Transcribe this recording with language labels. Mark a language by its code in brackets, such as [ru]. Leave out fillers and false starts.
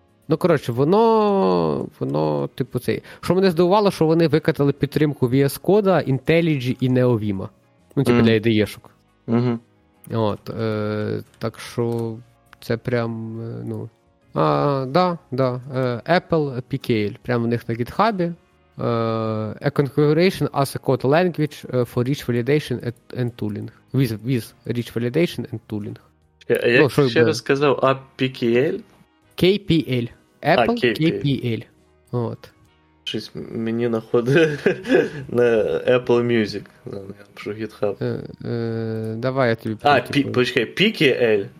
[uk] Ну, коротше, воно, типу, цей. Що мене здивувало, що вони викатали підтримку VS Code, IntelliJ і NeoVima. Ну, типу, для IDE-шок. От, так що це прям, ну... Да. Apple PKL, прямо в них на GitHub. [en] A configuration as a code language for rich validation and tooling. With rich validation and tooling. [uk] Я ще раз сказав, APKL? KPL. Apple KPL. От. Щось мені находить на Apple Music. Що GitHub. Давай я тобі... А, почекай, PKL?